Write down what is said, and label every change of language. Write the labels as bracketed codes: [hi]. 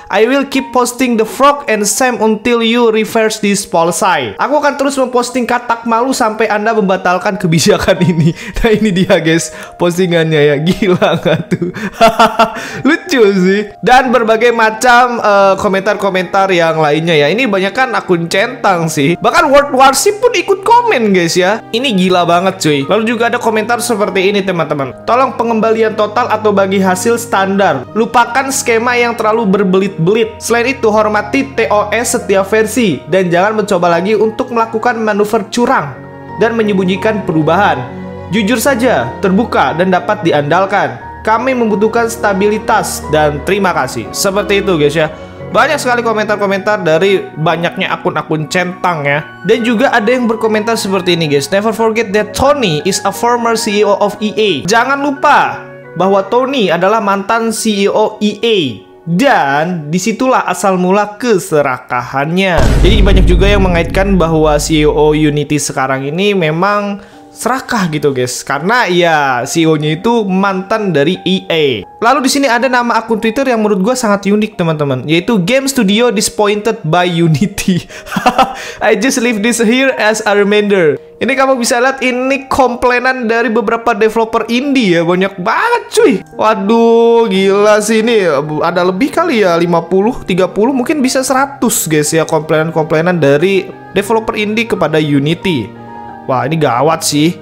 [en] "I will keep posting the frog and Sam until you reverse this policy." [id] Aku akan terus memposting katak malu sampai Anda membatalkan kebijakan ini. Nah, ini dia guys postingannya ya. Gila gak tuh? Lucu sih. Dan berbagai macam komentar-komentar yang lainnya ya. Ini banyak kan akun centang sih. Bahkan World Warship pun ikut komen guys ya. Ini gila banget cuy. Lalu juga ada komentar seperti ini teman-teman. "Tolong pengembalian total atau bagi hasil standar. Lupakan skema yang terlalu berbelit-belit. Selain itu, hormati TOS setiap versi dan jangan mencoba lagi untuk melakukan manuver curang dan menyembunyikan perubahan. Jujur saja, terbuka, dan dapat diandalkan. Kami membutuhkan stabilitas dan terima kasih." Seperti itu guys ya. Banyak sekali komentar-komentar dari banyaknya akun-akun centang ya. Dan juga ada yang berkomentar seperti ini guys. [en] "Never forget that Tony is a former CEO of EA. [id] Jangan lupa bahwa Tony adalah mantan CEO EA, dan disitulah asal mula keserakahannya." Jadi banyak juga yang mengaitkan bahwa CEO Unity sekarang ini memang serakah gitu guys, karena ya CEO-nya itu mantan dari EA. Lalu di sini ada nama akun Twitter yang menurut gue sangat unik teman-teman, yaitu [en] "Game Studio Disappointed by Unity." "I just leave this here as a reminder." [id] Ini kamu bisa lihat, ini komplainan dari beberapa developer indie ya. Banyak banget cuy. Waduh, gila sih ini. Ada lebih kali ya, 50, 30, mungkin bisa 100 guys ya, komplainan-komplainan dari developer indie kepada Unity. Wah, ini gawat sih.